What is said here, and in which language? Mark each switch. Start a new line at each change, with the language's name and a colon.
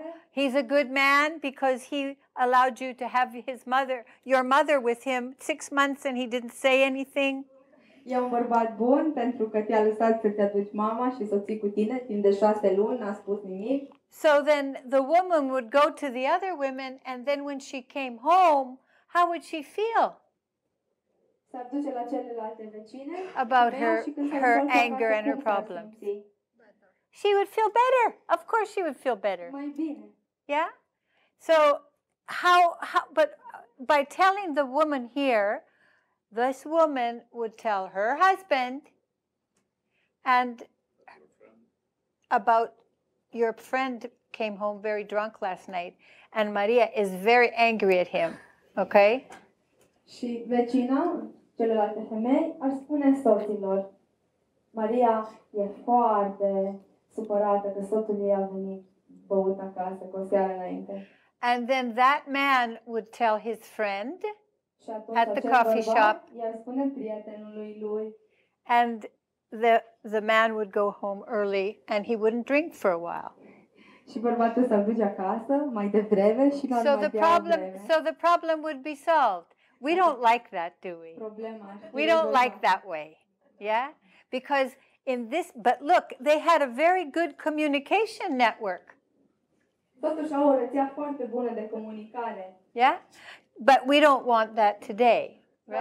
English: He's a good man because he allowed you to have his mother, your mother with him 6 months and he didn't say anything.
Romanian: E un bărbat bun pentru că te-a lăsat să te aduci mama și soții cu tine timp de 6 luni, n-a spus nimic.
English: So then the woman would go to the other women and then when she came home, how would she feel?
Romanian: S-ar duce la celelalte vecine
English: about her anger and her problems. She would feel better. Of course she would feel better.
Romanian: Mai bine.
English: Yeah? So how but by telling the woman here, this woman would tell her husband and about your friend came home very drunk last night and Maria is very angry at him. Okay?
Romanian: Și vecina, celelalte femei, ar spune soților, Maria e foarte supărată că soțul ei a venit băut acasă cu o seară înainte.
English: And then that man would tell his friend at the coffee shop.
Romanian: I-ar spune prietenului lui.
English: And the man would go home early and he wouldn't drink for a while.
Romanian: Și bărbatul s-ar duce acasă mai devreme și nu ar mai bea devreme.
English: So the problem would be solved. We don't like that, do we?
Romanian: Problema.
English: We don't like that way. Yeah? Because in this, but look, they had a very good communication network.
Romanian: Totuși au o rețea foarte bună de comunicare.
English: Yeah? But we don't want that today, right?